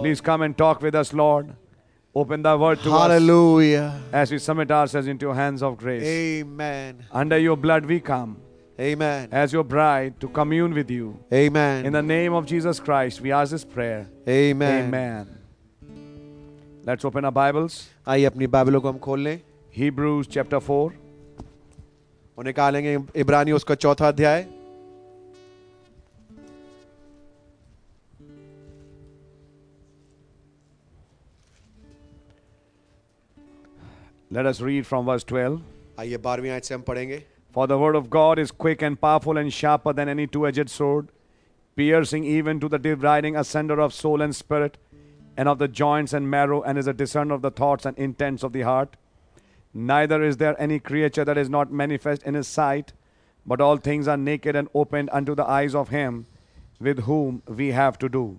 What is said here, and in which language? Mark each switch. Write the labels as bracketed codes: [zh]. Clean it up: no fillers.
[en] Please come and talk with us, Lord. Open thy word to Hallelujah. Us. Hallelujah. As we submit ourselves into your hands of grace. Amen. Under your blood we come. Amen. As your bride to commune with you. Amen. In the name of Jesus Christ, we ask this prayer. Amen. Amen. Let's open our Bibles. [hi] आइए अपनी बाइबलों को हम खोल लें. [en] Hebrews chapter 4. [hi] उन्हें कहा लेंगे इब्रानी उसका चौथा अध्याय. [en] Let us read from verse 12. [hi] आइए बारहवीं आयत से हम पढ़ेंगे. [en] For the word of God is quick and powerful and sharper than any two-edged sword, piercing even to the dividing asunder of soul and spirit, and of the joints and marrow, and is a discerner of the thoughts and intents of the heart. Neither is there any creature that is not manifest in his sight, but all things are naked and opened unto the eyes of him with whom we have to do.